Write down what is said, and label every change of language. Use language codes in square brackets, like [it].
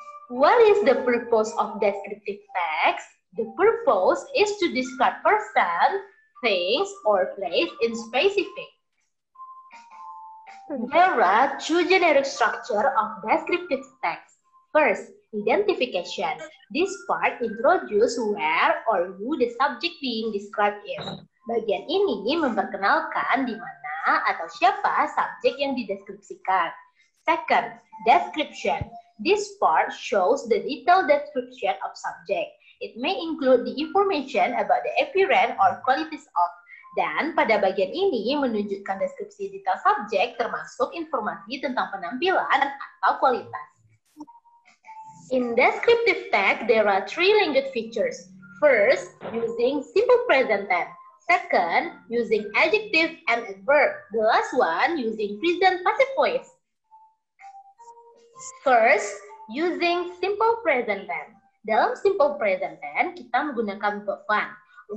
[en] What is the purpose of descriptive text? The purpose is to describe person, things, or place in specific. There are two generic structure of descriptive text. First, identification. This part introduces where or who the subject being described is. [id] Bagian ini memperkenalkan di mana atau siapa subjek yang dideskripsikan. [en] Second, description. This part shows the detailed description of subject. It may include the information about the appearance or qualities of. [id] Dan pada bagian ini menunjukkan deskripsi detail subjek termasuk informasi tentang penampilan atau kualitas. [en] In descriptive text, there are three language features. First, using simple present tense. Second, using adjective and adverb. The last one, using present passive voice. First, using simple present tense. [id] Dalam [en] simple present tense, [id] kita menggunakan [en] verb 1.